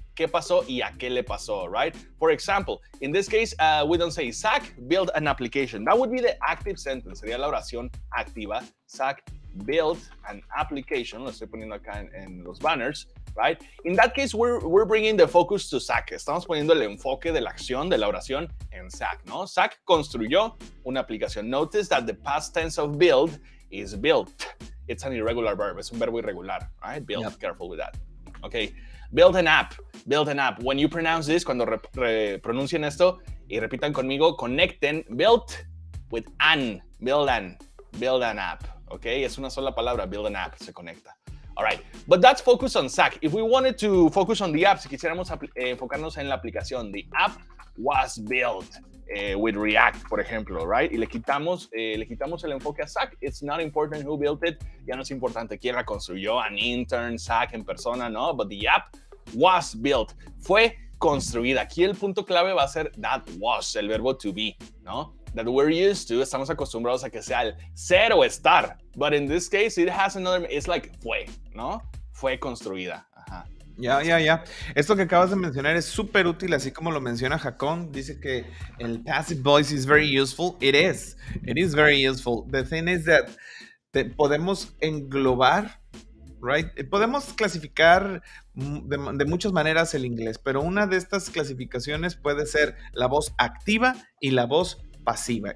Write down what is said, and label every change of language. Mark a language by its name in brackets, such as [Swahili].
[Spanish] ¿Qué pasó y a qué le pasó, right? [English] For example, in this case, we don't say Zach built an application. That would be the active sentence. [Spanish] Sería la oración activa. [English] Zach build an application. [Spanish] Lo estoy poniendo acá en los banners, right? [English] In that case, we're bringing the focus to Zach. [Spanish] Estamos poniendo el enfoque de la acción, de la oración en Zach, ¿no? Zach construyó una aplicación. [English] Notice that the past tense of build is built. It's an irregular verb. [Spanish] Es un verbo irregular, [English] right? Build, yep. Careful with that. Okay. Build an app. Build an app. When you pronounce this, [Spanish] cuando pronuncien esto y repitan conmigo, [English] connecten built with an. Build an. Build an app. Okay? [Spanish] Es una sola palabra. [English] Build an app. [Spanish] Se conecta. [English] All right. But that's focus on Zach. If we wanted to focus on the app, [Spanish] si quisiéramos enfocarnos en la aplicación, [English] the app was built with React, [Spanish] por ejemplo, [English] right? [Spanish] Y le quitamos el enfoque a Zach. [English] It's not important who built it. [Spanish] Ya no es importante quién la construyó, [English] an intern, [Spanish] Zach en persona, no? [English] But the app was built. [Spanish] Fue construida. Aquí el punto clave va a ser [English] that was, [Spanish] el verbo to be, no? [English] That we're used to, [Spanish] estamos acostumbrados a que sea el ser o estar. [English] But in this case, it has another, it's like fue, no? [Spanish] Fue construida. Ya. Esto que acabas de mencionar es súper útil, así como lo menciona Jacón. Dice que el [English] passive voice is very useful. It is. It is very useful. The thing is that [Spanish] podemos englobar, [English] right? [Spanish] Podemos clasificar de muchas maneras el inglés, pero una de estas clasificaciones puede ser la voz activa y la voz pasiva.